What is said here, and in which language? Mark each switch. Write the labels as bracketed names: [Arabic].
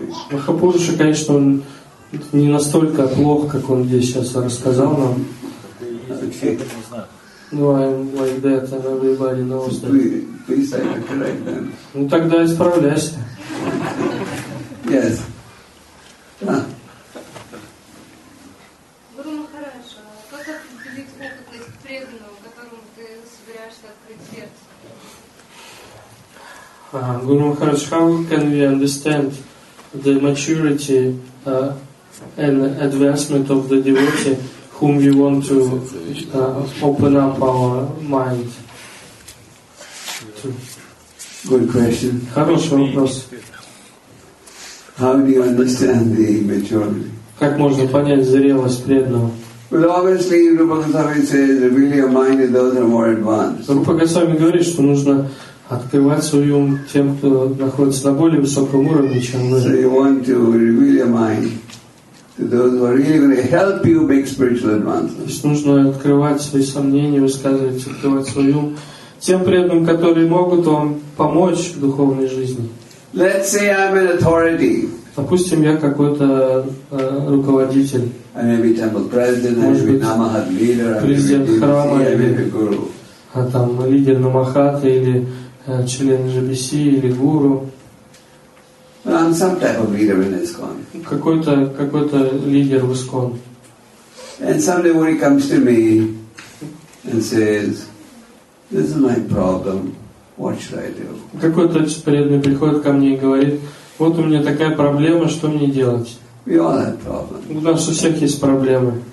[Russian] Махапуруша, конечно, он не настолько плох, как он здесь сейчас рассказал нам. [English] Ну, I'm like that, and everybody knows that. [Russian] Ну, тогда исправляйся. [English] Yes. Guru Maharaj, how can we understand the maturity and advancement of the devotee whom we want to open up our mind to? Good question. [Russian] Хороший вопрос. [English] How do you understand the maturity? [Russian] Как можно понять зрелость преданного? [English] Well, obviously, Rupa Goswami says really your mind is those who are more advanced. [Russian] Rupa Goswami говорит, что нужно открывать свой ум тем, кто находится на более высоком уровне, чем мы. [English] So you want to reveal your mind to those who are really going to help you make spiritual advancement. [Russian] Нужно открывать свои сомнения, высказывать, открывать свой ум тем преданным, которые могут вам помочь в духовной жизни. [English] Let's say I'm an authority. [Russian] Допустим, я какой-то руководитель. [English] I may be temple president, I may be Namahat leader, [Russian] президент храма, [English] I may be guru. [Russian] А там лидер Намахата или член GBC или гуру. [English] I'm some type of leader in ISKCON. [Russian] Какой-то лидер в ISKCON. [English] And somebody when he comes to me and says, this is my problem, what should I do? [Russian] Какой-то преданный приходит ко мне и говорит, вот у меня такая проблема, что мне делать? [English] We all have problems. [Russian] У нас у всех есть проблемы.